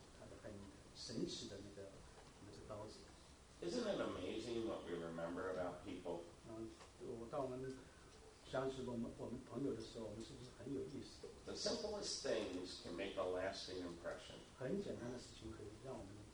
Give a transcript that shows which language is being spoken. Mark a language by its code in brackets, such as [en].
[zh] 他的很神奇的那个刀子。 [en] Isn't it amazing what we remember about people? [zh] 当我们想起我们朋友的时候，我们是不是很有意思？ [en] The simplest things can make a lasting impression. [zh] 很简单的事情可以让我们。